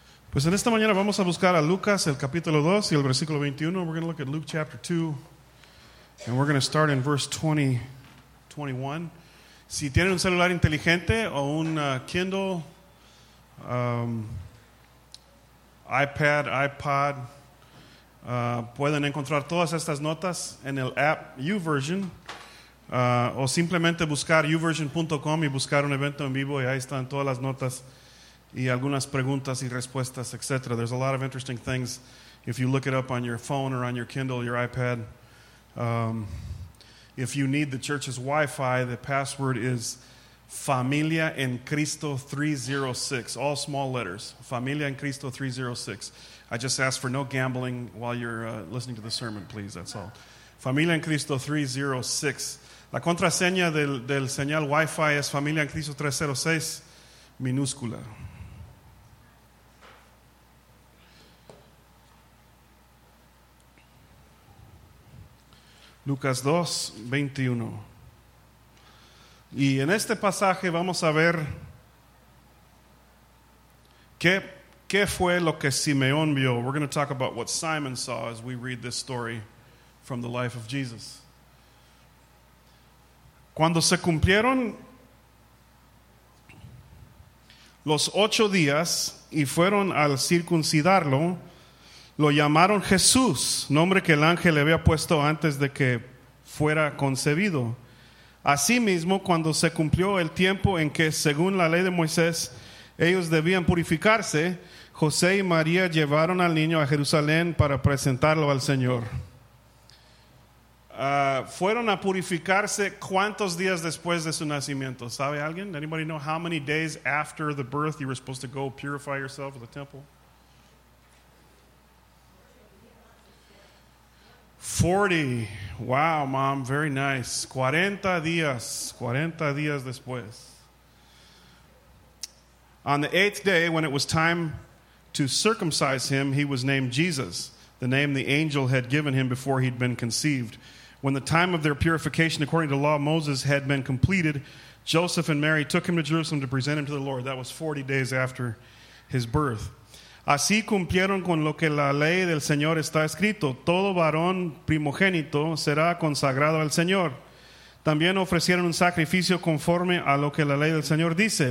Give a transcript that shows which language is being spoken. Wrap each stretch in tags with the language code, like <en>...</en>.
<es>Pues en esta mañana vamos a buscar a Lucas, el capítulo 2 y el versículo 21.</es> <en>We're going to look at Luke chapter 2, and we're going to start in verse 20-21.</en> <es>Si tienen un celular inteligente o un Kindle, iPad, pueden encontrar todas estas notas en el app YouVersion, o simplemente buscar YouVersion.com y buscar un evento en vivo, y ahí están todas las notas y algunas preguntas y respuestas, etc.</es> <en>There's a lot of interesting things if you look it up on your phone or on your Kindle, your iPad. If you need the church's Wi-Fi, the password is Familia en Cristo 306, all small letters. Familia en Cristo 306. I just ask for no gambling while you're listening to the sermon, please, that's all. Familia en Cristo 306.</en> <es>La contraseña del señal Wi-Fi es Familia en Cristo 306, minúscula. Lucas 2:21. Y en este pasaje vamos a ver qué fue lo que Simeón vio.</es> <en>We're going to talk about what Simon saw as we read this story from the life of Jesus.</en> <es>Cuando se cumplieron los 8 días y fueron al circuncidarlo, lo llamaron Jesús, nombre que el ángel le había puesto antes de que fuera concebido. Asimismo, cuando se cumplió el tiempo en que, según la ley de Moisés, ellos debían purificarse, José y María llevaron al niño a Jerusalén para presentarlo al Señor. Fueron a purificarse cuántos días después de su nacimiento. ¿Sabe alguien?</es> <en>Anybody know how many days after the birth you were supposed to go purify yourself at the temple? 40. Wow, mom, very nice.</en> <es>40 días después.</es> <en>On the eighth day, when it was time to circumcise him, he was named Jesus, the name the angel had given him before he'd been conceived. When the time of their purification according to the law of Moses had been completed, Joseph and Mary took him to Jerusalem to present him to the Lord. That was 40 days after his birth.</en> <es>Así cumplieron con lo que la ley del Señor está escrito. Todo varón primogénito será consagrado al Señor. También ofrecieron un sacrificio conforme a lo que la ley del Señor dice.</es>